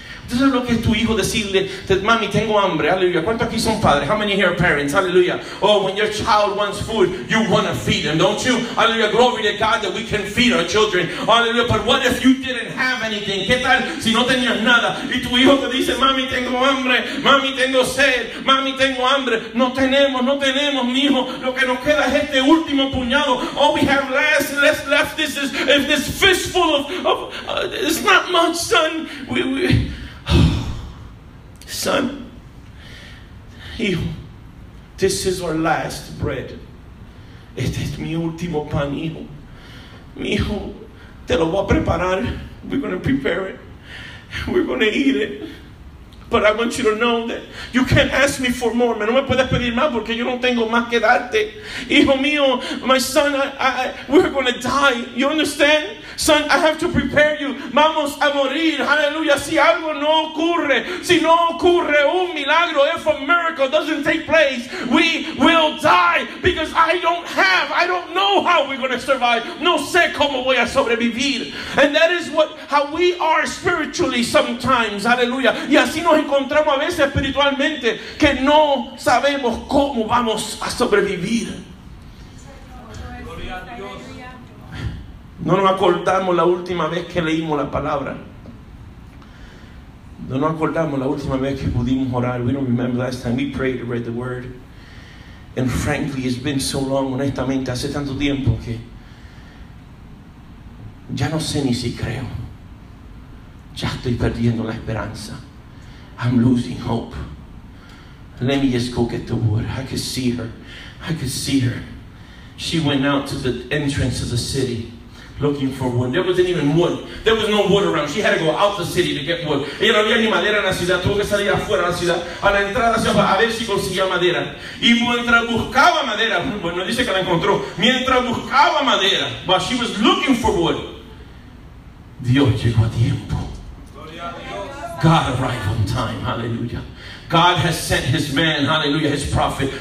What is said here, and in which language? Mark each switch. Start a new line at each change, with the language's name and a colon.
Spanish: Entonces lo que es tu hijo decirle, "Mami, tengo hambre." Aleluya. ¿Cuántos aquí son padres?
English: How many here are parents?
Spanish: Aleluya.
English: Oh, when your child wants food, you want to feed them, don't you? Aleluya. Glory to God that we can feed our children. Aleluya. But what if you didn't have anything?
Spanish: ¿Qué tal si no tenías nada? Y tu hijo te dice, "Mami, tengo hambre. Mami, tengo sed. Mami, tengo hambre." No tenemos, mi hijo. Lo que nos queda es este último puñado.
English: All we have left is this fistful of it's not much, son. Son,
Spanish: hijo,
English: this is our last bread.
Spanish: Este es mi último pan, hijo. Mi hijo, te lo voy a preparar.
English: We're going to prepare it. We're going to eat it. But I want you to know that you can't ask me for more.
Spanish: Man, no me puedes pedir más porque yo no tengo más que darte. Hijo mío,
English: my son, we're going to die. You understand? Son, I have to prepare you.
Spanish: Vamos a morir.
English: Hallelujah.
Spanish: Si algo no ocurre, si no ocurre un milagro,
English: if a miracle doesn't take place,
Spanish: we will die.
English: Because I don't know how we're going to survive.
Spanish: No sé cómo voy a sobrevivir.
English: And that is how we are spiritually sometimes. Hallelujah.
Spanish: Y así nos encontramos a veces espiritualmente, que no sabemos cómo vamos a sobrevivir. No nos acordamos la última vez que leímos la palabra. No nos acordamos la última vez que pudimos orar.
English: We don't remember last time we prayed or read the word. And frankly, it's been so long,
Spanish: honestamente, hace tanto tiempo que ya no sé ni si creo. Ya estoy perdiendo la esperanza.
English: I'm losing hope. Let me just go get the wood. I could see her. I could see her. She went out to the entrance of the city, looking for wood. There wasn't even wood. There was no wood around. She had to go out the city to get wood.
Spanish: Ella no había ni madera en la ciudad. Tuvo que salir afuera de la ciudad, a la entrada, a ver si conseguía madera. Y mientras buscaba madera, bueno, dice que la encontró. Mientras buscaba madera,
English: while she was looking for wood,
Spanish: Dios llegó a tiempo.
English: God arrived on time. Hallelujah. God has sent his man. Hallelujah. His prophet.